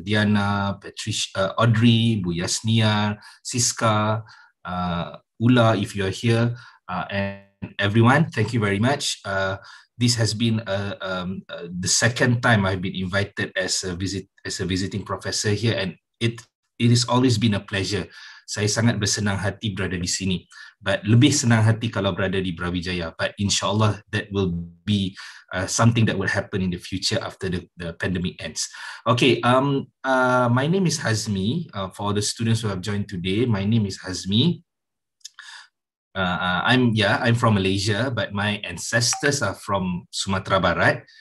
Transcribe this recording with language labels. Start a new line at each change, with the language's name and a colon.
English: Diana, Patricia, Audrey, Bu Yasniar, Siska, Ula, if you are here, and everyone, thank you very much. This has been the second time I've been invited as a visiting professor here, and it has always been a pleasure.
Indonesian: Saya sangat bersenang hati berada di sini. But lebih senang hati kalau berada di Brawijaya.
English: But insyaAllah, that will be something that will happen in the future after the pandemic ends. Okay, my name is Hasmi. For the students who have joined today, my name is Hasmi. I'm from Malaysia, but my ancestors are from Sumatera Barat.